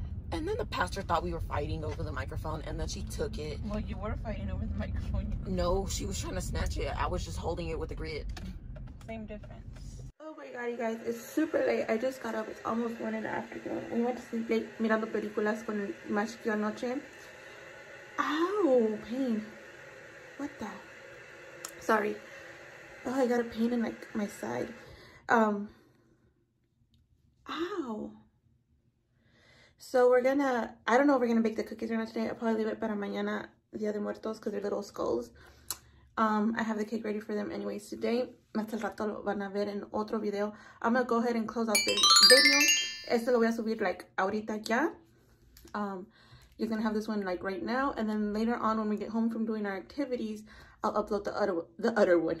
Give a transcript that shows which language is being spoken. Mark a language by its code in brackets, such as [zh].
[en] And then the pastor thought we were fighting over the microphone, and then she took it. Well, you were fighting over the microphone. No, she was trying to snatch it. I was just holding it with a grid. Same difference. Oh my god, you guys, it's super late. I just got up. It's almost 1 in the afternoon. We went to sleep late [es] mirando películas con más chiquillo anoche. [en] Ow, pain. What the? Sorry. Oh, I got a pain in like my side. Ow. So we're gonna, I don't know if we're gonna bake the cookies or not today. I'll probably leave it [es] para mañana, Dia de Muertos, [en] because they're little skulls. I have the cake ready for them anyways today. [es] Más al rato lo van a ver en otro video. [en] I'm gonna go ahead and close out this video. [es] Este lo voy a subir like ahorita ya. [en] You're gonna have this one like right now. And then later on when we get home from doing our activities, I'll upload the other one.